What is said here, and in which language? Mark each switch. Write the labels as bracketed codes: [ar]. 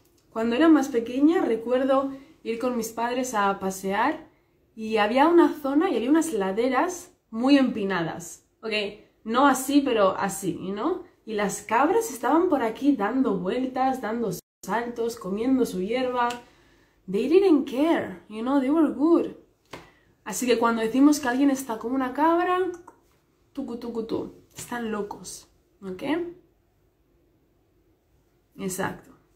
[es] Cuando era más pequeña, recuerdo ir con mis padres a pasear y había una zona y había unas laderas muy empinadas. Ok, no así, pero así, ¿no? Y las cabras estaban por aquí dando vueltas, dando saltos, comiendo su hierba. [en] They didn't care, you know, they were good. [es] Así que cuando decimos que alguien está como una cabra, tucu tucu tu, están locos, ¿ok? Exacto.